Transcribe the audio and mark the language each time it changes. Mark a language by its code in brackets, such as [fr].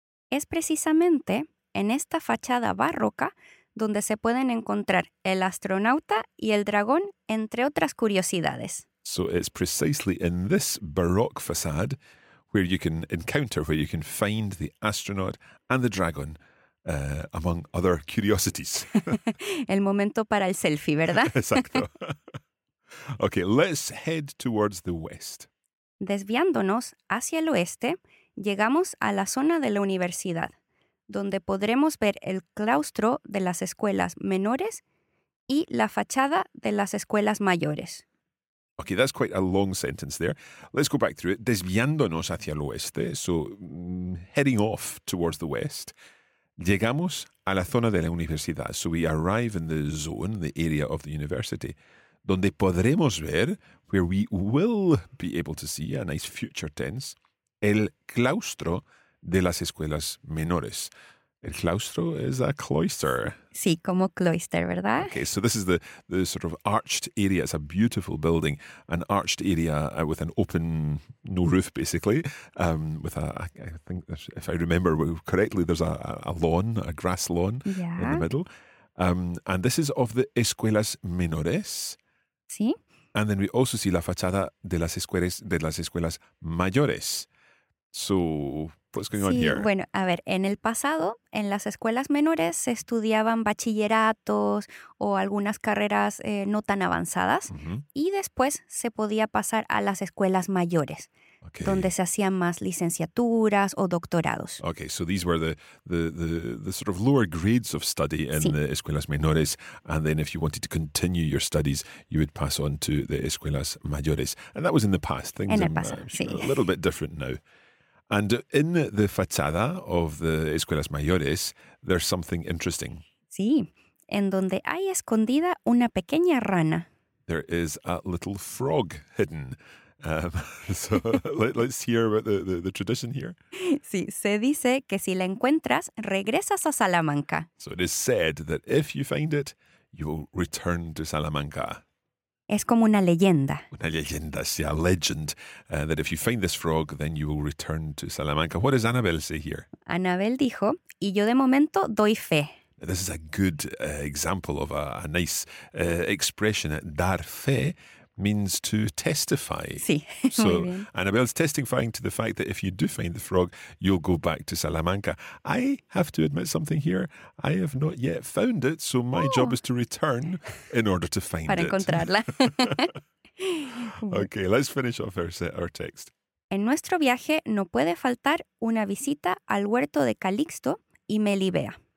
[es] Es precisamente en esta fachada barroca donde se pueden encontrar el astronauta y el dragón, entre otras curiosidades. [en] So it's precisely in this Baroque facade where you can encounter, where you can find the astronaut and the dragon, among other curiosities. [es] El momento para el selfie, ¿verdad? Exacto. [en] Okay, let's head towards the west. [es] Desviándonos hacia el oeste, llegamos a la zona de la universidad, donde podremos ver el claustro de las escuelas menores y la fachada de las escuelas mayores. [en] Okay, that's quite a long sentence there. Let's go back through it. [es] Desviándonos hacia el oeste, [en] so heading off towards the west, [es] llegamos a la zona de la universidad. [en] So we arrive in the zone, the area of the university, [es] donde podremos ver, [en] where we will be able to see, a nice future tense, [es] el claustro de las escuelas menores. [en] El claustro is a cloister. [es] Sí, como cloister, ¿verdad? [en] Okay, so this is the sort of arched area. It's a beautiful building, an arched area with an open, no roof, basically. With a, I think, if I remember correctly, there's a lawn, a grass lawn yeah. in the middle. And this is of the escuelas menores. [es] Sí. [en] And then we also see [es] la fachada de las escuelas mayores. [en] So, what's going [es] sí, [en] on here? [es] Bueno, a ver, en el pasado, en las escuelas menores se estudiaban bachilleratos o algunas carreras no tan avanzadas uh-huh. y después se podía pasar a las escuelas mayores, [en] okay. [es] donde se hacían más licenciaturas o doctorados. [en] Okay, so these were the sort of lower grades of study in [es] sí. [en] the escuelas menores, and then if you wanted to continue your studies, you would pass on to the escuelas mayores. And that was in the past. Things [es] en el pasado, [en] are, [es] sí. [en] A little bit different now. And in the fachada of the escuelas mayores, there's something interesting. [es] Sí, en donde hay escondida una pequeña rana. [en] There is a little frog hidden. So let's hear about the tradition here. [es] Sí, se dice que si la encuentras, regresas a Salamanca. [en] So it is said that if you find it, you will return to Salamanca. [es] Es como una leyenda. Una leyenda, sí, [en] a legend. That if you find this frog, then you will return to Salamanca. What does Annabel say here? [es] Annabel dijo, y yo de momento doy fe. [en] Now, this is a good example of a nice expression. Dar fe means to testify. [es] Sí, [en] so Annabel's testifying to the fact that if you do find the frog, you'll go back to Salamanca. I have to admit something here. I have not yet found it, so my oh. job is to return in order to find [es] Para encontrarla. [en] It. Okay, let's finish off our text. [es] En nuestro viaje no puede faltar una visita al huerto de Calixto y Melibea.